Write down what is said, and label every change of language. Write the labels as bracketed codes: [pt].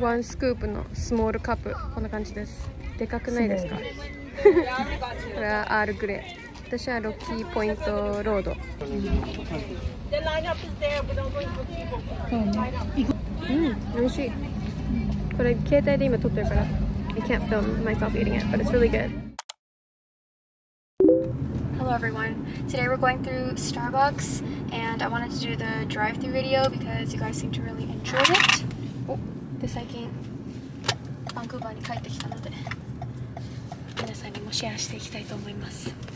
[ja] ワンスクープのスモールカップ、こんな感じです。でかくないですか？これはアールグレイ。私はロッキーポイントロード。うん、おいしい。これ携帯で今撮ってるから。 [en] I can't film myself eating it, but it's really good. Hello everyone. Today we're going through Starbucks and I wanted to do the drive-thru video because you guys seem to really enjoy it. [ja] で最近バンクーバーに帰ってきたので皆さんにもシェアしていきたいと思います。